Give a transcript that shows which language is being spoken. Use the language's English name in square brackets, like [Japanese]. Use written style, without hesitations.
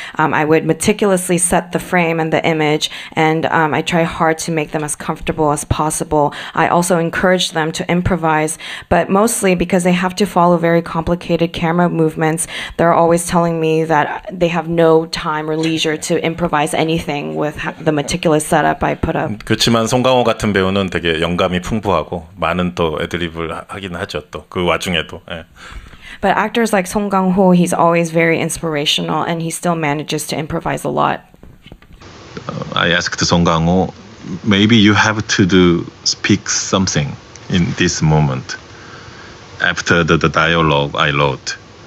[English] I would meticulously set the frame and the image, and I try hard to make them as comfortable as possible. I also encourage them to improvise, but mostly because they have to follow very complicated camera movements, they're always telling me that they have no time or leisure to improvise anything with the meticulous setup I put up. [Korean] 그렇지만 송강호 같은 배우는 되게 영감이 풍부하고 많은 또 애드립을 하긴 하죠. 또 그 와중에도. [English] But actors like Song Kang-ho, he's always very inspirational, and he still manages to improvise a lot. I asked Song Kang-ho, maybe you have to speak something in this moment after the dialogue I wrote.